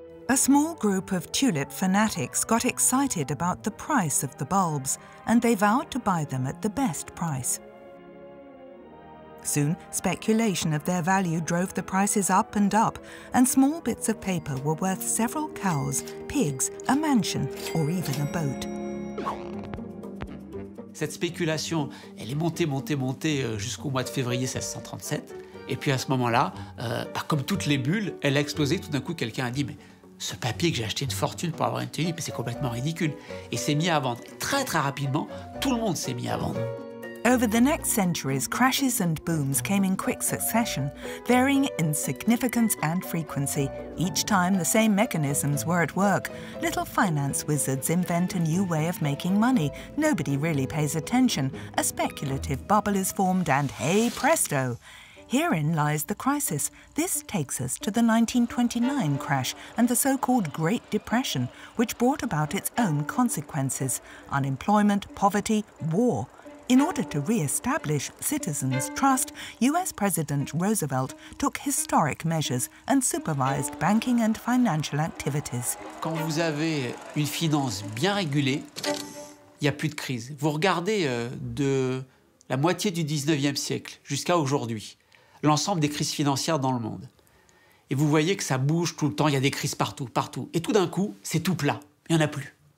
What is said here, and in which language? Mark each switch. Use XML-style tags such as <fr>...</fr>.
<en>A small group of tulip fanatics got excited about the price of the bulbs, and they vowed to buy them at the best price. Soon, speculation of their value drove the prices up and up, and small bits of paper were worth several cows, pigs, a mansion, or even a boat.</en> <fr>Cette spéculation, elle est montée jusqu'au mois de février 1637. Et puis à ce moment-là, comme toutes les bulles, elle a explosé. Tout d'un coup, quelqu'un a dit, mais ce papier que j'ai acheté une fortune pour avoir une tulipe, c'est complètement ridicule. Et s'est mis à vendre. Très, très rapidement, tout le monde s'est mis à vendre.</fr> <en>Over the next centuries, crashes and booms came in quick succession, varying in significance and frequency. Each time, the same mechanisms were at work. Little finance wizards invent a new way of making money. Nobody really pays attention. A speculative bubble is formed and hey presto! Herein lies the crisis. This takes us to the 1929 crash and the so-called Great Depression, which brought about its own consequences. Unemployment, poverty, war. In order to re-establish citizens' trust, US President Roosevelt took historic measures and supervised banking and financial activities.</en> <fr>Quand vous avez une finance bien régulée, il n'y a plus de crise. Vous regardez de la moitié du 19e siècle jusqu'à aujourd'hui, l'ensemble des crises financières dans le monde. Et vous voyez que ça bouge tout le temps, il y a des crises partout, partout. Et tout d'un coup, c'est tout plat, il n'y en a plus.</fr>